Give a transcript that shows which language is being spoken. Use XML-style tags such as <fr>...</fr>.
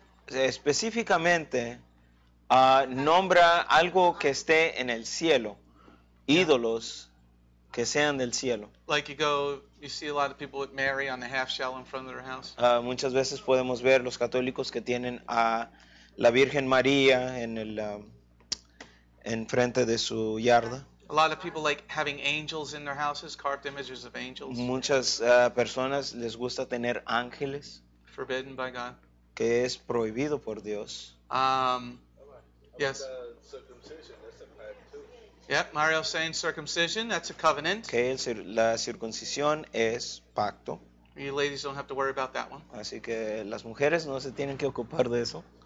<es>Específicamente, nombra algo que esté en el cielo, ídolos que sean del cielo.</es> <en>Like you go, you see a lot of people with Mary on the half shell in front of their house.</en> <es>Muchas veces podemos ver los católicos que tienen a la Virgen María en el en frente de su yarda.</es> <en>A lot of people like having angels in their houses, carved images of angels.</en> <es>Muchas personas les gusta tener ángeles.</es> <en>Forbidden by God.</en> <es>Que es prohibido por Dios.</es> <en>Yes. Circumcision. Yep, Mario's saying circumcision, that's a covenant.</en> <es>Que la circuncisión es pacto.</es> <en>You ladies don't have to worry about that one.</en> <es>Así que las mujeres no se tienen que ocupar de eso.</es>